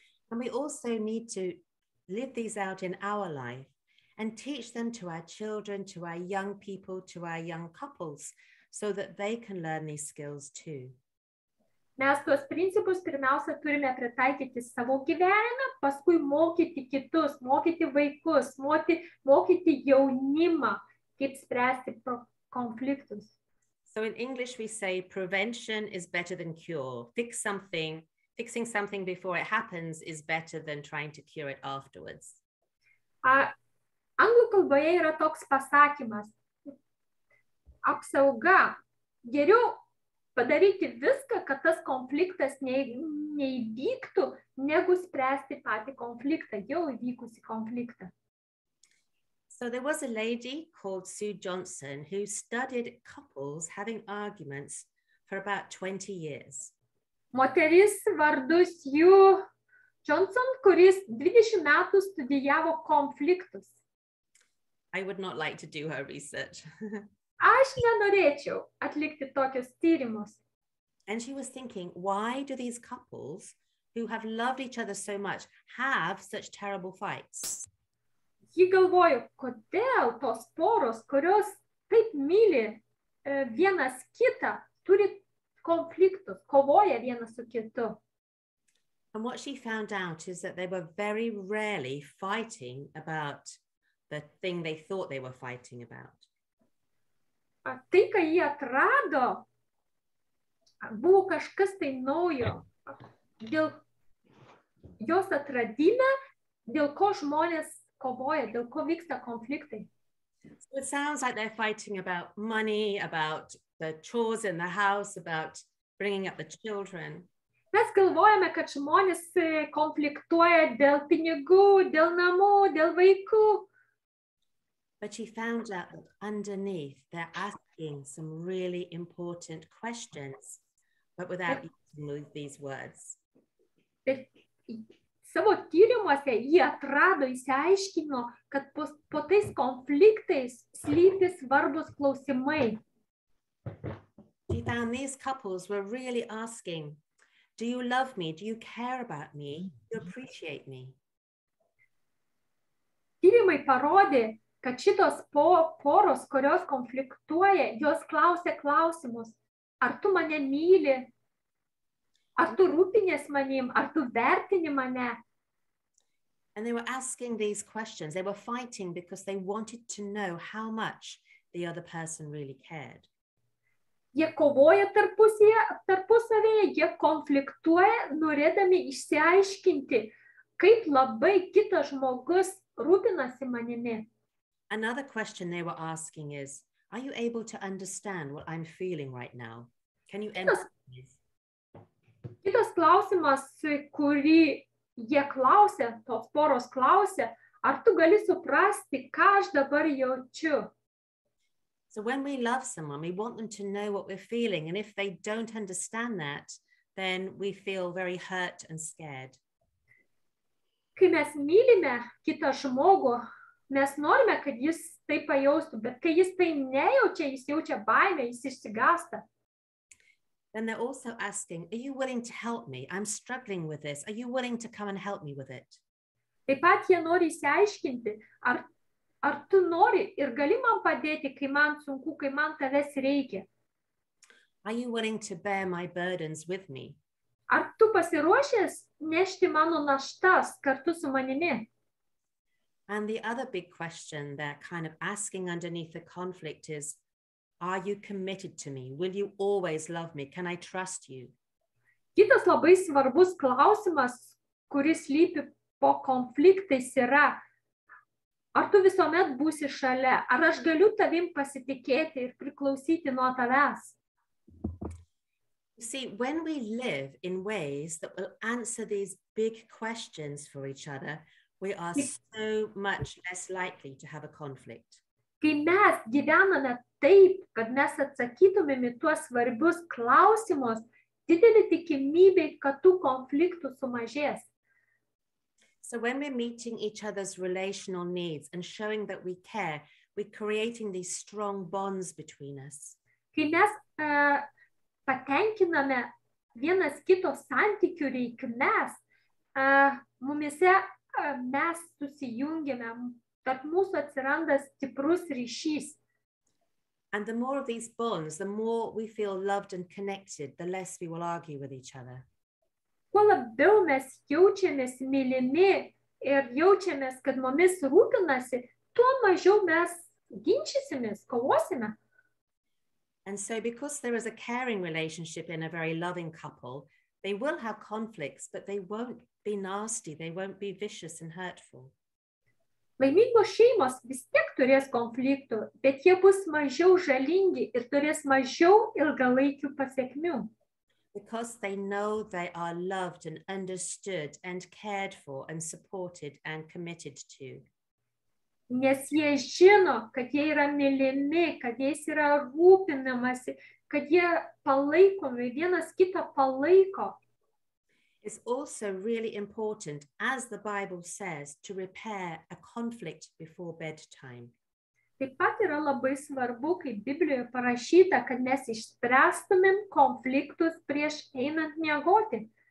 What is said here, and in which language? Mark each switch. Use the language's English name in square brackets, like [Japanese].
[English] And we also need to live these out in our life and teach them to our children, to our young people, to our young couples, so that they can learn these skills too. [Lithuanian] Mes tuos principus pirmiausia turime pritaikyti savo gyvenime, paskui mokyti kitus, mokyti vaikus, mokyti jaunimą, kaip spręsti konfliktus. [English] So in English we say prevention is better than cure. Fixing something before it happens is better than trying to cure it afterwards. [Lithuanian] Anglų kalboje yra toks pasakymas. Apsauga. Geriau padaryti viską, kad tas konfliktas neįvyktų, negu spręsti patį konfliktą, jau įvykusi konfliktą. [English] So there was a lady called Sue Johnson who studied couples having arguments for about 20 years. [Lithuanian] Moteris vardu Sue Johnson, kuris 20 metų studijavo konfliktus. [English] I would not like to do her research. [Lithuanian] Aš nenorėčiau atlikti tokius tyrimus. [English] And she was thinking, why do these couples who have loved each other so much have such terrible fights? [Lithuanian] Ji galvojo, kodėl tos poros, kurios taip myli vienas kitą, turi konfliktus, kovoja vienas su kitu. [English] And what she found out is that they were very rarely fighting about the thing they thought they were fighting about. [Lithuanian] Tai, ką jie atrado, buvo kažkas tai naujo. Dėl jos atradimą, dėl ko žmonės kovoja, dėl ko vyksta konfliktai. [English] So it sounds like they're fighting about money, about the chores in the house, about bringing up the children. [Lithuanian] Mes galvojame, kad žmonės konfliktuoja dėl pinigų, dėl namų, dėl vaikų. [English] But she found out that underneath they're asking some really important questions, but without using these words. [Lithuanian] Bet savo tyrimuose jį atrado, įsiaiškino, kad po tais konfliktais slypi svarbus klausimai. [English] She found these couples were really asking, do you love me? Do you care about me? Do you appreciate me? [Lithuanian] Tyrimai parodė, kad šitos poros, kurios konfliktuoja, jos klausia klausimus. Ar tu mane myli? Ar tu rūpinies manim? Ar tu vertini mane? [English] And they were asking these questions. They were fighting because they wanted to know how much the other person really cared. [Lithuanian] Jie kovoja tarpusavėje, jie konfliktuoja, norėdami išsiaiškinti, kaip labai kitas žmogus rūpinasi manimi. [English] Another question they were asking is, are you able to understand what I'm feeling right now? Can you empathize? [Lithuanian] Kitas klausimas, kurį jie klausė, tos poros klausė, ar tu gali suprasti, ką aš dabar jaučiu? [English] So when we love someone, we want them to know what we're feeling, and if they don't understand that, then we feel very hurt and scared. [Lithuanian] Kai mes mylime kitą žmogų, mes norime, kad jis tai pajaustų, bet kai jis tai nejaučia, jis jaučia baimę, jis išsigąsta. [English] Then they're also asking, are you willing to help me? I'm struggling with this. Are you willing to come and help me with it? [Lithuanian] Taip pat jie nori išsiaiškinti, ar tu nori ir gali man padėti, kai man sunku, kai man tavęs reikia. [English] Are you willing to bear my burdens with me? [Lithuanian] Ar tu pasiruošęs nešti mano naštas kartu su manimi? [English] And the other big question they're kind of asking underneath the conflict is, are you committed to me? Will you always love me? Can I trust you? [Lithuanian] Kitas labai svarbus klausimas, kuris lypi po konfliktais yra, ar tu visuomet būsi šalia? Ar aš galiu tavim pasitikėti ir priklausyti nuo tavęs? [English] You see, when we live in ways that will answer these big questions for each other, we are so much less likely to have a conflict. [Lithuanian] Kai mes gyvename taip, kad mes atsakytumėm į tuos svarbius klausimus, didelė tikimybė, kad tų konfliktų sumažės. [English] So when we're meeting each other's relational needs and showing that we care, we're creating these strong bonds between us. [Lithuanian] Kai mes patenkiname vienas kito santykių reikmes, mumise mes susijungiame, tarp mūsų atsiranda stiprus ryšys. [English] And the more of these bonds, the more we feel loved and connected, the less we will argue with each other. [Lithuanian] Kuo labiau mes jaučiamės mylimi ir jaučiamės, kad mumis rūpinasi, tuo mažiau mes ginčysimės, kovosime. [English] And so because there is a caring relationship in a very loving couple, they will have conflicts, but they won't be nasty, they won't be vicious and hurtful. [Lithuanian] Laimingos šeimos vis tiek turės konfliktų, bet jie bus mažiau žalingi ir turės mažiau ilgalaikių pasekmių. [English] Because they know they are loved and understood and cared for and supported and committed to. [Lithuanian] Nes jie žino, kad jie yra mylimi, kad jais yra rūpinamasi, kad jie palaikomi, vienas kitą palaiko. [English] It's also really important, as the Bible says, to repair a conflict before bedtime. [Lithuanian] Taip pat yra labai svarbu, kaip Biblijoje parašyta, kad mes išspręstumėm konfliktus prieš einant miegoti.